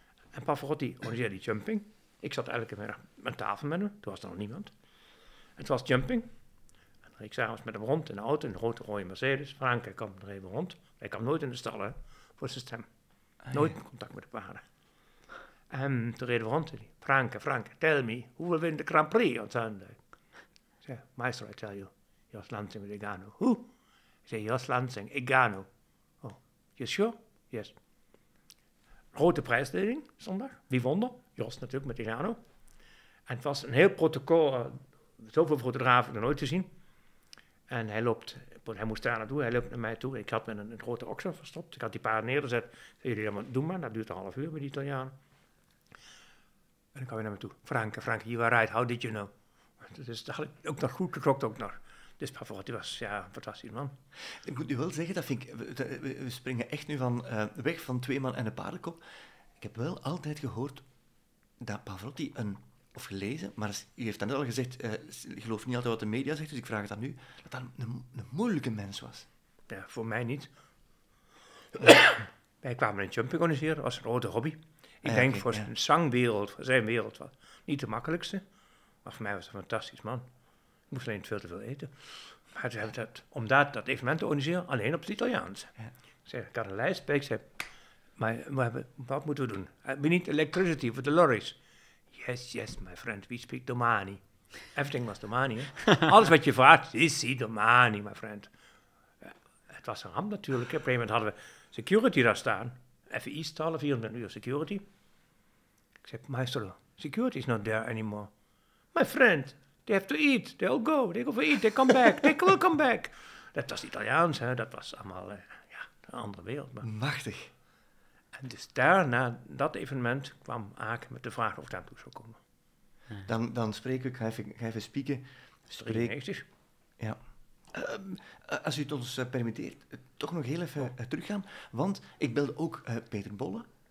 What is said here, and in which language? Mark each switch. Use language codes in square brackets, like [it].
[nl] En Pavarotti organiseerde die jumping. Ik zat elke middag aan tafel met hem. Toen was er nog niemand. Het was jumping. En ik zag met hem rond in de auto, een grote rode Mercedes. Frank, hij kwam er even rond. Hij kwam nooit in de stallen. Voor zijn stem. Nooit in contact met de paarden. En toen reden we rond. [en] Frank, tell me, who will win the Grand Prix on Sunday? [nl] Ik zei, [en] maestro, I tell you, Jos Lansing with Egano. Who? [nl] Ik zei, [en] Jos Lansing, Egano. Oh, you sure? Yes. [nl] Grote prijsleiding, zondag. Wie won er? Jos natuurlijk, met Egano. En het was een heel protocol, zoveel fotografen nog nooit te zien. En hij loopt... Hij moest daar naartoe, hij loopt naar mij toe. Ik had met een grote oksel verstopt. Ik had die paarden neergezet. Jullie zeggen, doe maar, dat duurt een half uur met die Italiaan. En dan kwam hij naar me toe. [en] Frank, you are right, how did you know? [nl] Dus dat had ik ook nog goed geklokt ook nog. Dus Pavarotti was ja, een fantastisch man. Ik moet nu wel zeggen, dat vind ik, we springen echt nu van weg van twee man en een paardenkop. Ik heb wel altijd gehoord dat Pavarotti een... Of gelezen, maar u heeft dan net al gezegd, geloof niet altijd wat de media zegt, dus ik vraag het aan u, dat dat een moeilijke mens was. Ja, voor mij niet. Wij kwamen een jumping organiseren, dat was een grote hobby. Ik denk voor zijn zangwereld, voor zijn wereld, was niet de makkelijkste. Maar voor mij was het een fantastisch man. Ik moest alleen veel te veel eten. Maar ze hebben dat, om dat evenement te organiseren, alleen op het Italiaans. Ik had een lijst bij, ik zei, maar wat moeten we doen? [en] We need electricity for the lorries. Yes, my friend, we speak domani. Everything was domani, hè? [nl] Alles wat je vraagt, is domani, [en] my friend. [nl] Ja, het was een ramp natuurlijk. Op een gegeven moment hadden we security daar staan. FI stallen, 400 uur security. Ik zei, maestro, [en] security is not there anymore. My friend, they have to eat, they'll go, they go for eat, they come back, they will come back. [nl] Dat was Italiaans, hè? Dat was allemaal ja, een andere wereld. Maar... Machtig. En dus daarna dat evenement kwam Aken met de vraag of ik daartoe zou komen. Dan spreek ik, ga even spieken. 93. Ja. Als u het ons permitteert, toch nog heel even teruggaan. Want ik belde ook Peter Bolle.